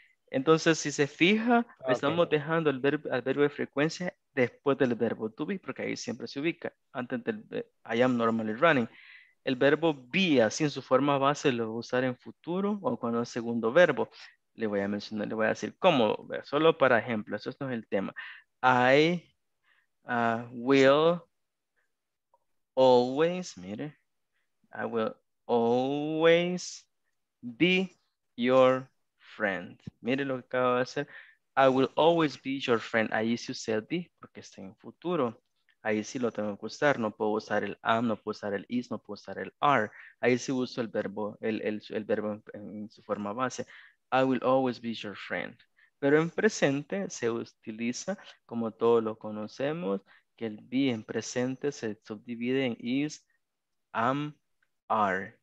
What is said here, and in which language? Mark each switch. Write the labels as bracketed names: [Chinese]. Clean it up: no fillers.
[Spanish] Entonces si se fija, estamos dejando el adverbio de frecuencia después del verbo to be, porque ahí siempre se ubica, antes del [English] I am normally running. [Spanish] El verbo be, así en su forma base, lo voy a usar en futuro o cuando es segundo verbo. Le voy a mencionar, le voy a decir cómo, solo para ejemplo, eso no es el tema. [English] I will always, [Spanish] mire, [English] I will always be your friend. [Spanish] Mire lo que acabo de hacer. [English] I will always be your friend. [Spanish] Ahí sí usé el be porque está en futuro. Ahí sí lo tengo que usar, no puedo usar el am, no puedo usar el is, no puedo usar el are. Ahí sí uso el verbo, el verbo en su forma base. [English] I will always be your friend. [Spanish] Pero en presente se utiliza, como todos lo conocemos, que el be en presente se subdivide en is, am, are.